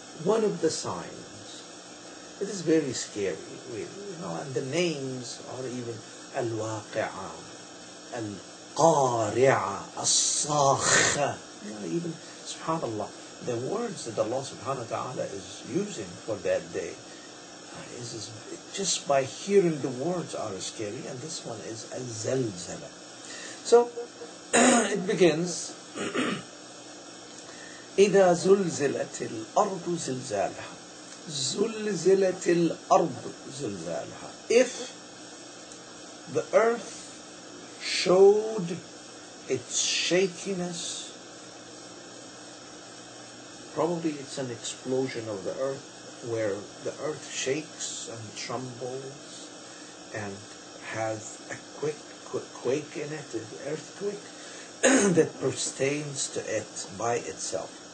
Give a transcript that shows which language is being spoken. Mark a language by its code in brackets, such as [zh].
[en] One of the signs, it is very scary, really, you know, and the names are even al-Waqi'ah, Qari'a, As-Sakha. Even, subhanAllah, the words that Allah subhanahu wa ta'ala is using for that day, is just by hearing the words are scary, and this one is Al-Zalzala. So, it begins, [ar] إِذَا زُلْزِلَتِ الْأَرْضُ زِلْزَالَهَا زُلْزِلَتِ الْأَرْضُ زِلْزَالَهَا. [en] If the earth showed its shakiness, probably it's an explosion of the earth where the earth shakes and trembles and has a quake in it, an earthquake that pertains to it by itself.